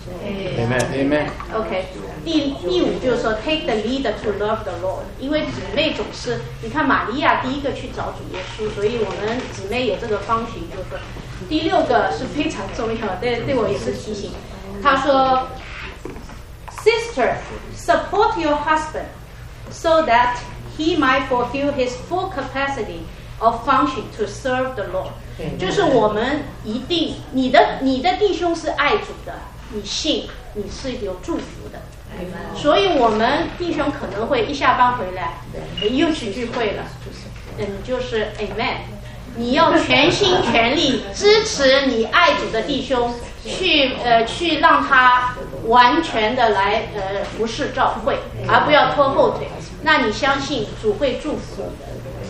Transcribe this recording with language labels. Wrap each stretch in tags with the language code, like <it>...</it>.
<en>Amen.</en> <zh>OK， 第五就是说</zh> <en>take the lead to love the Lord，</en> <zh>因为姊妹总是，你看玛利亚第一个去找主耶稣，所以我们姊妹有这个方寻，就是。第六个是非常重要，对我也是提醒。他说。</zh> <en>Sister, support your husband so that he might fulfill his full capacity of function to serve the Lord.</en> <zh>就是我们一定，你的弟兄是爱主的，你信，你是有祝福的。所以我们弟兄可能会一下班回来，又去聚会了，就是 Amen。你要全心全力支持你爱主的弟兄，去让他完全的来服侍教会，而不要拖后腿。那你相信主会祝福你的。</zh>